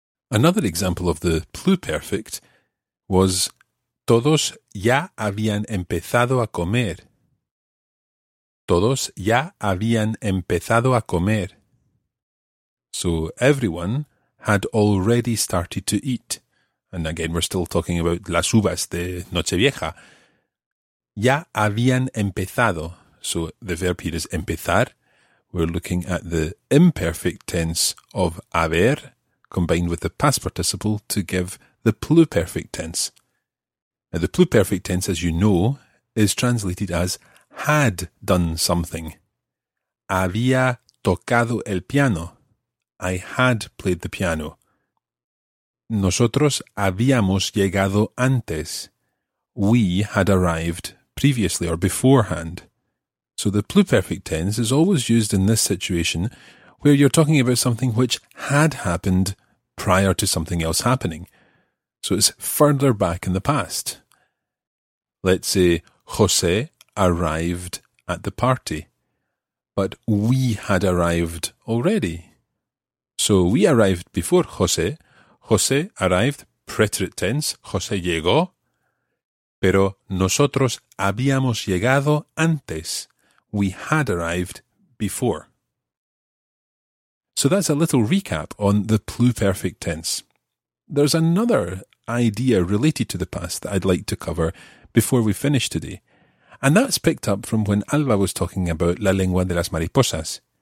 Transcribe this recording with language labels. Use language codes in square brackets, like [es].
[en] Another example of the pluperfect was, [es] todos ya habían empezado a comer. Todos ya habían empezado a comer. [en] So everyone had already started to eat. And again, we're still talking about las uvas de Nochevieja. [es] Ya habían empezado. [en] So the verb here is empezar. We're looking at the imperfect tense of haber combined with the past participle to give the pluperfect tense. Now, the pluperfect tense, as you know, is translated as had done something. [es] Había tocado el piano. [en] I had played the piano. [es] Nosotros habíamos llegado antes. [en] We had arrived previously or beforehand. So the pluperfect tense is always used in this situation where you're talking about something which had happened prior to something else happening. So it's further back in the past. Let's say José arrived at the party, but we had arrived already. So we arrived before José. José arrived, preterite tense, José llegó. [es] Pero nosotros habíamos llegado antes. [en] We had arrived before. So that's a little recap on the pluperfect tense. There's another idea related to the past that I'd like to cover before we finish today. And that's picked up from when Alba was talking about La Lengua de las Mariposas.